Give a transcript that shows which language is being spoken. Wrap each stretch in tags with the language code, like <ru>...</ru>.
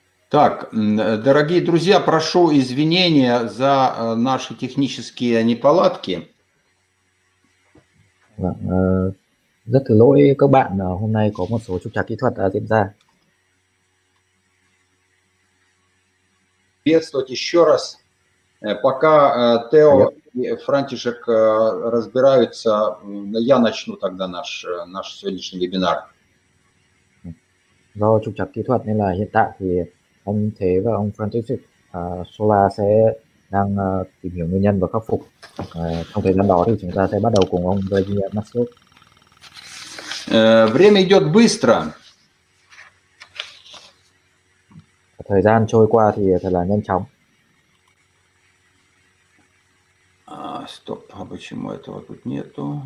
<ru>Так, дорогие друзья, прошу извинения за наши технические неполадки.</ru> <vi>Rất thử lỗi các bạn, hôm nay có một số trục trặc kỹ thuật diễn ra.</vi> <ru>Приветствовать еще раз. Пока Тео и Франтишек разбираются, я начну тогда наш сегодняшний вебинар.</ru> <vi>Do trục trặc kỹ thuật nên là hiện tại thì anh Thế và ông Francisic Sola sẽ đang tìm hiểu nguyên nhân và khắc phục. Trong thời gian đó thì chúng ta sẽ bắt đầu cùng ông Vladimir Maslov.</vi> <ru>Время идет быстро.</ru> <vi>Thời gian trôi qua thì thật là nhanh chóng.</vi> <ru>Стоп, а почему этого тут нету?</ru>